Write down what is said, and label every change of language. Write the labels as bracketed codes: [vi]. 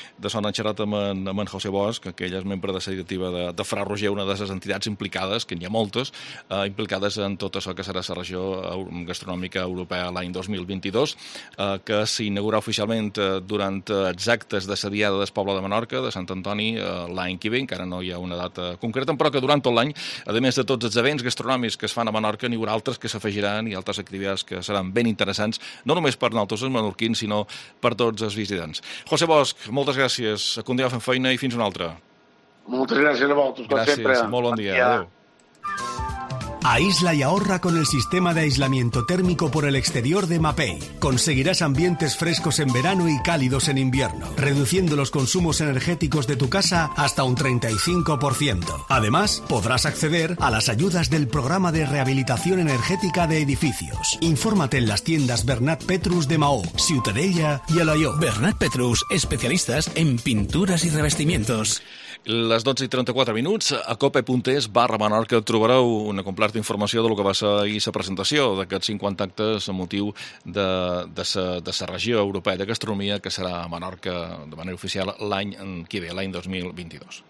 [ca] De sona en xerrat amb en José Bosch, que ell és membre de la directiva de Fra Roger, una de les entitats implicades, que n'hi ha moltes, implicades en tot això que serà la regió gastronòmica europea l'any 2022, que s'inaugura oficialment durant els actes de la Diada del Poble de Menorca, de Sant Antoni, l'any que ve, encara no hi ha una data concreta, però que durant tot l'any, a més de tots els events gastronòmics que es fan a Menorca, n'hi haurà altres que s'afegiran i altres activitats que seran ben interessants, no només per nosaltres els menorquins, sinó per tots els visitants. José Bosch, moltes gràcies, continuem fent feina i fins una altra. Moltes gràcies a vosaltres, com gràcies, sempre. Gràcies, molt bon dia. Adéu. [es] Aísla y ahorra con el sistema de aislamiento térmico por el exterior de Mapei. Conseguirás ambientes frescos en verano y cálidos en invierno, reduciendo los consumos energéticos de tu casa hasta un 35%. Además, podrás acceder a las ayudas del programa de rehabilitación energética de edificios. Infórmate en las tiendas Bernat Petrus de Mahó, Ciutadella y Alaió. Bernat Petrus, especialistas en pinturas y revestimientos. [ca] Les 12:34 minuts, a cope.es/Menorca trobareu una completa informació del que va ser ahir la presentació d'aquests 50 actes a motiu de la regió europea de gastronomia que serà a Menorca de manera oficial l'any que ve, l'any 2022.